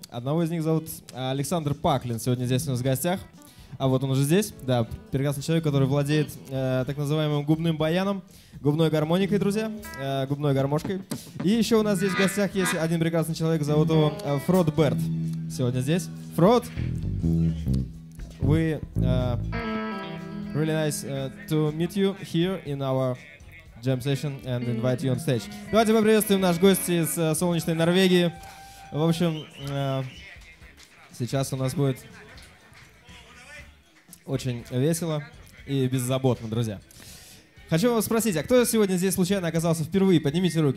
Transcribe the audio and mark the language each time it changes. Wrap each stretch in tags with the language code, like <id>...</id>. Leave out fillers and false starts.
<ru>Одного из них зовут Александр Паклин. Сегодня здесь у нас в гостях. А вот он уже здесь. Да, прекрасный человек, который владеет так называемым губным баяном, губной гармоникой, друзья, губной гармошкой. И еще у нас здесь в гостях есть один прекрасный человек, зовут его Фрод Берт. Сегодня здесь.</ru> <en>Фрод, we really nice to meet you here in our jam session and invite you on stage.</en> <ru>Давайте поприветствуем наш гость из солнечной Норвегии. В общем, сейчас у нас будет очень весело и беззаботно, друзья. Хочу вас спросить, а кто сегодня здесь случайно оказался впервые? Поднимите руки.</ru>